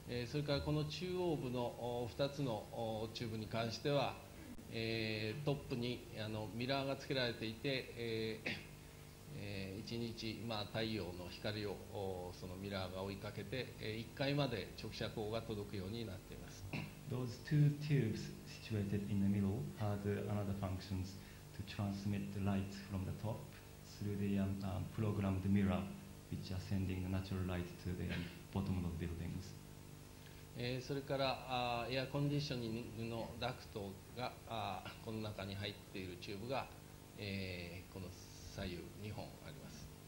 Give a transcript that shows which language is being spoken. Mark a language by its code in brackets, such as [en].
[ja] それからこの中央部の2つのチューブに関しては、トップにミラーがつけられていて、1日、太陽の光をそのミラーが追いかけて、1階まで直射光が届くようになっています。 [en] Those two tubes situated in the middle had another functions to transmit the light from the top through the programmed mirror which are sending the natural light to the bottom of buildings。 [ja] それからエアコンディショニングのダクトがこの中に入っているチューブが、この左右2本あります。